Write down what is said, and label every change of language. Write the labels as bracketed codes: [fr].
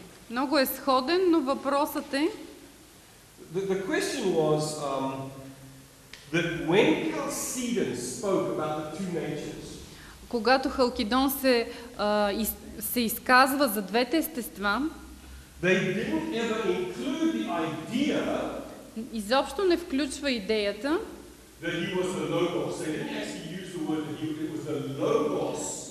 [bg] Много е сходен, но въпросът е. [en] The question was that when Chalcedon spoke about the two natures. [bg] Когато Халкидон се се изказва за двете естества. [en] They didn't ever include the idea. [bg] Изобщо не включва идеята. [en] That he was the logos.